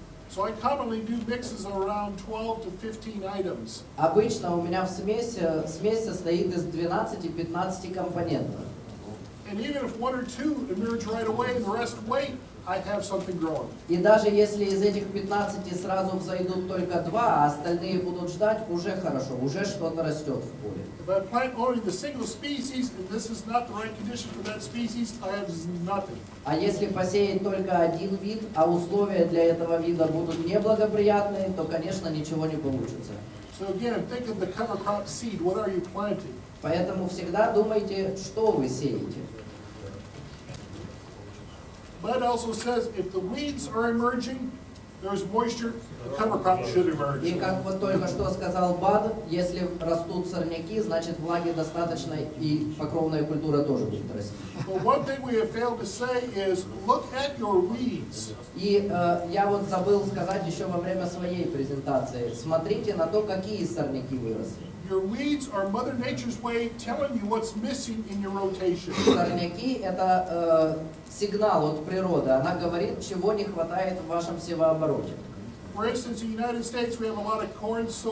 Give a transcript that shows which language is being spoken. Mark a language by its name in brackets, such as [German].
[English] So I commonly do mixes around 12 to 15 items. [Russian] Обычно у меня в смесь состоит из 12-15 компонентов. [English] And even if one or two emerge right away and the rest wait. I have something growing. [Russian] И даже если из этих 15 сразу взойдут только 2, а остальные будут ждать, уже хорошо, уже что-то растет в поле. [English] But I plant only the single species, and this is not the right condition for that species, I have nothing. [Russian] А если посеять только один вид, а условия для этого вида будут неблагоприятные, то, конечно, ничего не получится. [English] So again, think of the cover crop seed. What are you planting? [Russian] Поэтому всегда думайте, что вы сеете. [English] Bud also says if the weeds are emerging, there's moisture, the cover crop should emerge. [Russian] И как вот только что сказал Бад, если растут сорняки, значит влаги достаточно и покровная культура тоже будет расти. [English] But one thing we have failed to say is look at your weeds. [Russian] И я вот забыл сказать еще во время своей презентации. Смотрите на то, какие сорняки выросли. [English] Your weeds are Mother Nature's way telling you what's missing in your rotation. [Russian] Сорняки – это сигнал от природы. Она говорит, чего не хватает в вашем севообороте. [English] For instance, in the United States, we have a lot of corn soil.